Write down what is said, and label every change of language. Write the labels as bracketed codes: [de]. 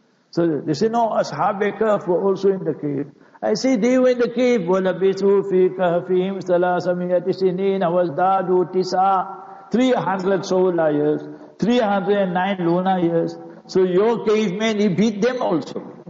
[en] So they say, no, Ashab-e Kahf were also in the cave. I say, they were in the cave. [ar] وَلَبِثُوا فِي كَهْفِهِمْ ثَلَاثَ مِيَةِ سِنِينَ وَازْدَادُوا تِسَاءَ [en] 300 solar years, 309 lunar years. So your cavemen, he beat them also.